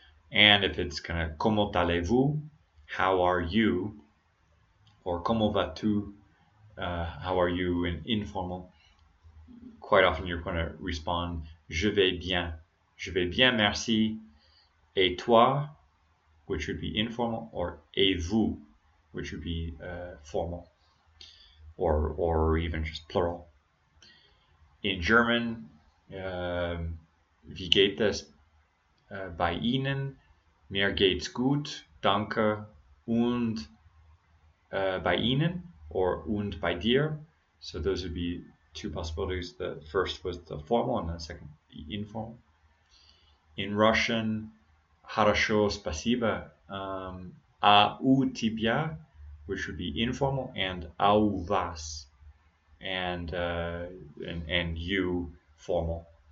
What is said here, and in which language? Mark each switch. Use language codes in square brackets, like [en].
[en] And if it's kind of [fr] comment allez-vous, [en] how are you, or [fr] comment vas-tu, [en] how are you in informal, quite often you're going to respond, [fr] je vais bien, merci, et toi, [en] which would be informal, or [fr] et vous, [en] which would be formal, or even just plural. In German, [de] wie geht es bei Ihnen? Mir geht's gut, danke, und bei Ihnen, or und bei dir. [en] So those would be two possibilities. The first was the formal, and the second the informal. In Russian, [ru] хорошо, спасибо, а у тебя, [en] which would be informal, and [ru] а у вас, [en] and you, formal.